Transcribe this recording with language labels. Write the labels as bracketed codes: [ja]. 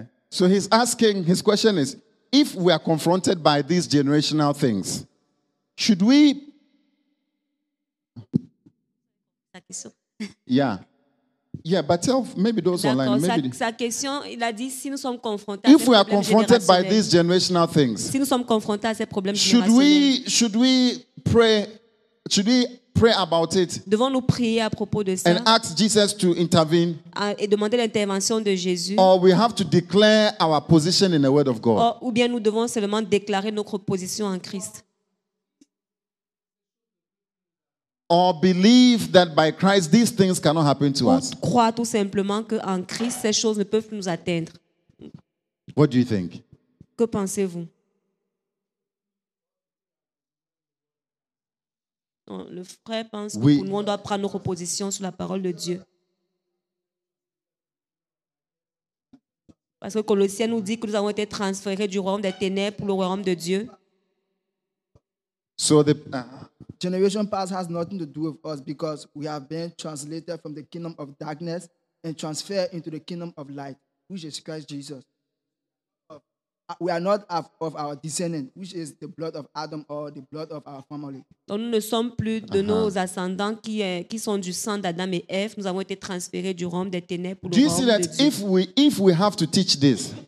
[en] So he's asking, his question is, if we are confronted by these generational things, should we... Yeah, but maybe those online. [fr] Sa question, il a dit, si nous sommes confrontés [en] if we are confronted by these generational things, [fr] si nous sommes confrontés à ces problèmes [en] should we pray about it? [fr] Devons-nous prier à propos de ça? [en] And ask Jesus to intervene. [fr] Et demander l'intervention de Jésus. [en] Or we have to declare our position in the Word of God. [fr] Ou bien nous devons seulement déclarer notre position en Christ. [en] Or believe that by Christ these things cannot happen to us. [fr] Crois tout simplement que en Christ ces choses ne peuvent nous atteindre. [en] What do you think? [fr] Que pensez-vous? Le frère pense que nous on doit prendre notre position sur la parole de Dieu. Parce que Colossiens nous dit que nous avons été transférés du royaume des ténèbres pour le royaume de Dieu. [en] So the generation past has nothing to do with us because we have been translated from the kingdom of darkness and transferred into the kingdom of light, which is Christ Jesus. We are not of our descendants, which is the blood of Adam or the blood of our family. [fr] Donc nous ne sommes plus de nos ascendants qui sont du sang d'Adam et Ève. Nous avons été transférés du royaume des ténèbres pour le royaume de Dieu. [en] Do you see that if we have to teach this?